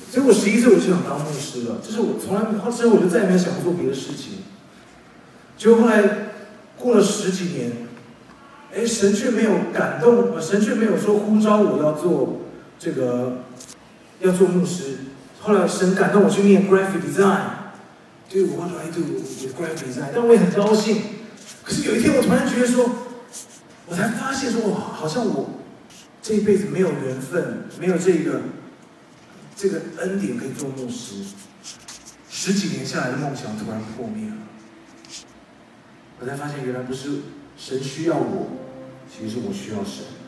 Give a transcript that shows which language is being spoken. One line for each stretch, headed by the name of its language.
Chinese: 所以我十一岁我就想当牧师了，就是我从来之后我就再也没有想过做别的事情。结果后来过了十几年，哎，神却没有感动，神却没有说呼召我要做这个，要做牧师。后来神感动我去念
English: graphic design， Dude, what do I do with graphic design？
Chinese: 但我也很高兴。可是有一天，我突然觉得说，我才发现说，好像我这一辈子没有缘分，没有这个恩典可以做牧师。十几年下来的梦想突然破灭了。我才发现，原来不是神需要我，其实我需要神。